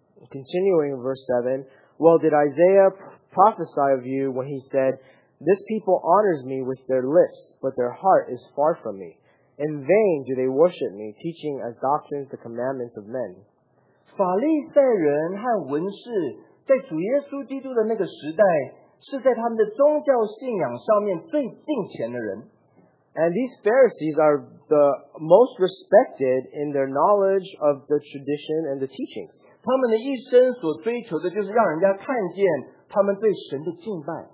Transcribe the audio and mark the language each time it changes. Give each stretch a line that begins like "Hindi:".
English: Continuing verse 7, well, did Isaiah prophesy of you when he said, this people honors me with their lips, but their heart is far from me. In vain do they worship me, teaching as doctrines the commandments of men.
Chinese: 法利赛人和文士在主耶稣基督的那个时代是在他们的宗教信仰上面最敬虔的人。
English: And these Pharisees are the most respected in their knowledge of the tradition and the teachings.
Chinese: 他们的一生所追求的就是让人家看见他们对神的敬拜。